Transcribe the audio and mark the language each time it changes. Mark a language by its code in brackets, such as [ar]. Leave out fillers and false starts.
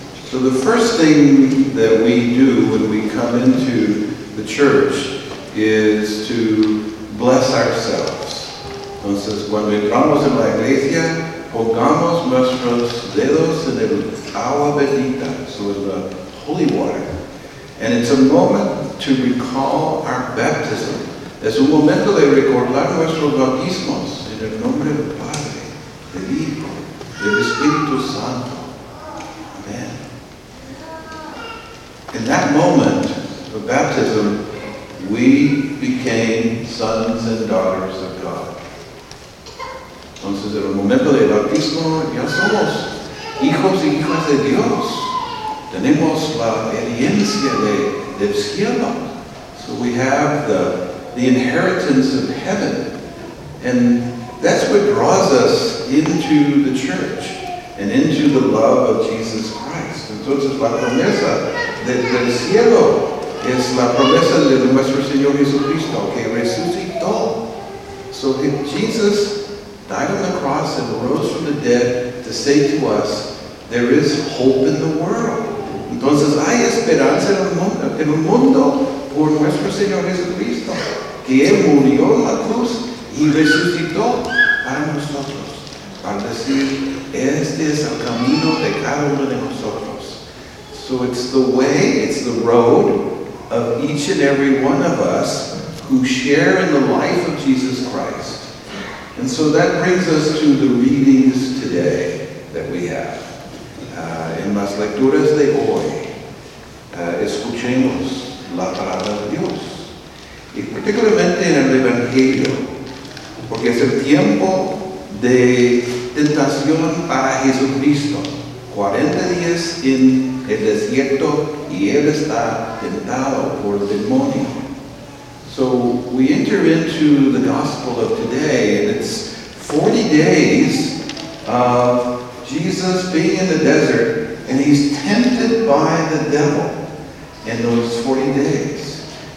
[en] So the first thing that we do when we come into the church is to bless ourselves. [es] Entonces, cuando entramos en la iglesia, pongamos nuestros dedos en el agua bendita, [en] so in the holy water. And it's a moment to recall our baptism. [es] Es un momento de recordar nuestros bautismos en el nombre del Padre, del Hijo, del Espíritu Santo. [en] Amen. In that moment of baptism, we became sons and daughters of God. [es] Entonces, en el momento del bautismo, ya somos hijos y hijas de Dios. Tenemos la herencia de cielo. [en] So we have the inheritance of heaven. And that's what draws us into the church and into the love of Jesus Christ. [es] Entonces, la promesa del cielo es la promesa de nuestro Señor Jesucristo, que resucitó. [en] So if Jesus died on the cross and rose from the dead to say to us, there is hope in the world. [es] Entonces hay esperanza en el mundo por nuestro Señor Jesucristo, que Él murió en la cruz y resucitó para nosotros, para decir, este es el camino de cada uno de nosotros. [en] So it's the way, it's the road of each and every one of us who share in the life of Jesus Christ. And so that brings us to the readings today that we have. [es] En las lecturas de hoy, escuchemos la palabra de Dios. Y particularmente en el Evangelio, porque es el tiempo de tentación para Jesucristo. 40 días en el desierto y Él está tentado por el demonio. [en] So we enter into the gospel of today, and it's 40 days of Jesus being in the desert, and he's tempted by the devil in those 40 days.